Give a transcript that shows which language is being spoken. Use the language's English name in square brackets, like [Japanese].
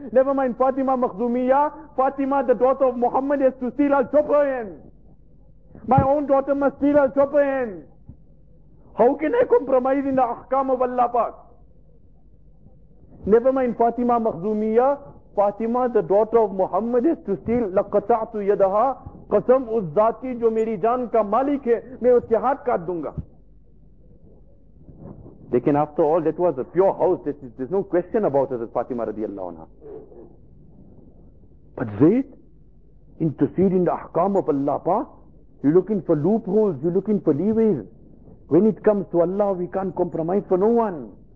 [English] Never mind Fatima Makhzumiya. Fatima, the daughter of Muhammad, has to steal, I'll chop her hand. My own daughter must steal, I'll chop her hand. How can I compromise in the ahkam of Allah Pak? Never mind Fatima Makhzumiya. Fatima, the daughter of Muhammad, is to steal. [Arabic] لَقَطَعْتُ يَدَهَا. [Urdu] قَسَمْ اُس ذَاتِ جو میری جان کا مالک ہے میں اس کے ہاتھ کاٹ دوں گا. لیکن [English] after all, that was a pure house. There's no question about it, Fatima رضی اللہ عنہ. But Zayd, interfere in the ahkam of Allah Pa. You're looking for loopholes. You're looking for leeways. When it comes to Allah, we can't compromise for no one.